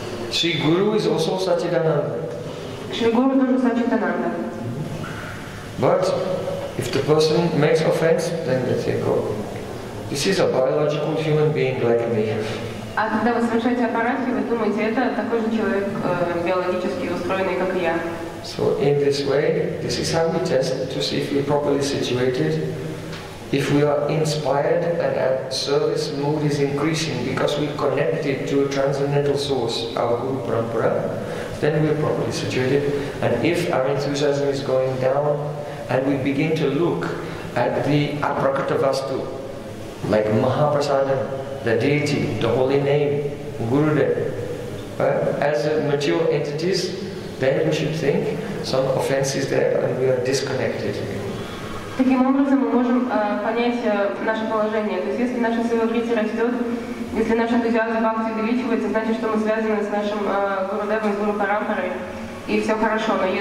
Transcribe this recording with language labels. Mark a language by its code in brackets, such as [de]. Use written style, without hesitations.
[en] Sri Guru is also Satchidananda. But if the person makes offense, then they think, oh, this is a biological human being like me. [ru] А когда вы совершаете апаракти, вы думаете, это такой же человек, биологически устроенный, как и я. [en] So in this way, this is how we test to see if we're properly situated, if we are inspired and our service mood is increasing because we're connected to a transcendental source, our Guru Parampara, then we're properly situated. And if our enthusiasm is going down and we begin to look at the aprakata vastu, like Mahaprasada, the deity, the holy name, Gurudev, as mature entities, then we should think some offense is there and we are disconnected. [ru] Таким образом мы можем понять наше положение. То есть если наше севабрити растет, если наш энтузиазм бхакти увеличивается, значит, что мы связаны с нашим Гурудевом, с Гуру Парампарой, и все хорошо.